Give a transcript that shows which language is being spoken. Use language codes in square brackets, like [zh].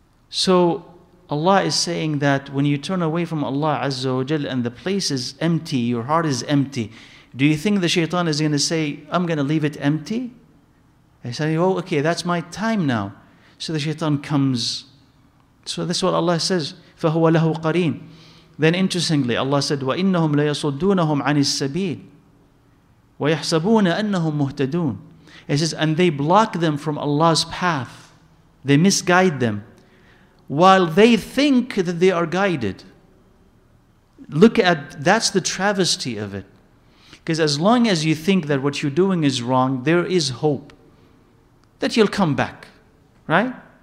[en] So Allah is saying that when you turn away from Allah Azza wa Jal and the place is empty, your heart is empty, do you think the shaitan is going to say, I'm going to leave it empty? He said, oh, okay, that's my time now. So the shaitan comes. So this is what Allah says, [ar] فَهُوَ لَهُ قَرِينٌ. [en] Then interestingly, Allah said, [ar] وَإِنَّهُمْ لَيَصُدُّونَهُمْ عَنِ السَّبِيلِ وَيَحْسَبُونَ أَنَّهُمْ مُهْتَدُونَ. [en] It says, and they block them from Allah's path. They misguide them while they think that they are guided. Look at, that's the travesty of it. Because as long as you think that what you're doing is wrong, there is hope that you'll come back, right?